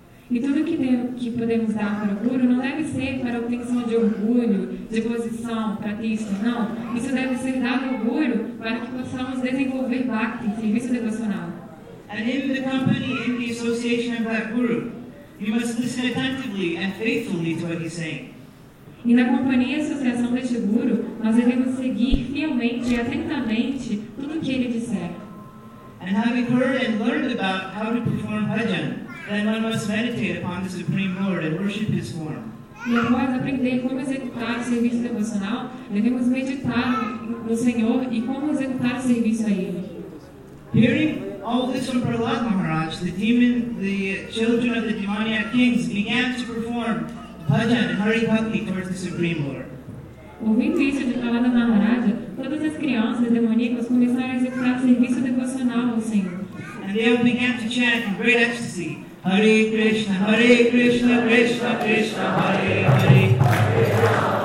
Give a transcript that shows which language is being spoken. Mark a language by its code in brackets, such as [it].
[pt] E tudo que podemos dar para o Guru não deve ser para obtenção de orgulho, de posição, pratishtha, não. Isso deve ser dado ao Guru para que possamos desenvolver bhakti, serviço devocional. [en] And in the company, in the association of that Guru, you must listen attentively and faithfully to what he's saying. [pt] E na companhia e associação deste Guru, nós devemos seguir fielmente e atentamente tudo o que ele disser. [en] And having heard and learned about how to perform bhajan, then one must meditate upon the Supreme Lord and worship His form. [pt] E após aprender como executar o serviço devocional, devemos meditar no Senhor e como executar o serviço a Ele. [en] Hearing all this from Prahlada Maharaj, the children of the demoniac kings began to perform bhajan, Hari Bhakti, towards the Supreme Lord. [pt] Ouvindo isso de Prahlada Maharaj, todas as crianças demoníacas começaram a executar serviço devocional ao Senhor. [en] And they began to chant in great ecstasy, Hare Krishna, Hare Krishna, Krishna Krishna, Hare Hare.